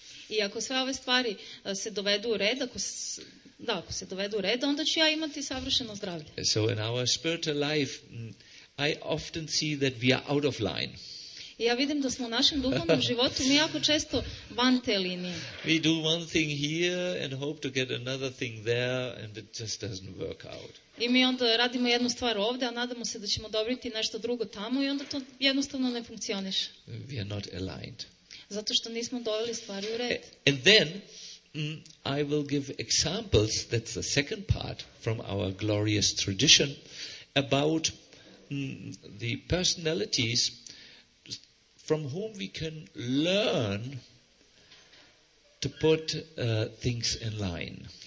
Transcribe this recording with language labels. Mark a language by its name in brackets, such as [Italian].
[Serbian] I ako sve ove stvari se dovedu u red, ako se dovedu u red, onda ću ja imati savršeno zdravlje. [English] So in our spiritual life, I often see that we are out of line. [Serbian] Ja vidim da smo u našem duhovnom životu mi jako često van te linije. [English] We do one thing here and hope to get another thing there and it just doesn't work out. [Serbian] I mi onda radimo jednu stvar ovde, a nadamo se da ćemo dobiti nešto drugo tamo i onda to jednostavno ne funkcioniš. [English] We are not aligned. [Serbian] Zato što nismo doveli stvari u red. [English] And then I will give examples, that's the second part, from our glorious tradition about the personalities from whom we can learn to put things in line.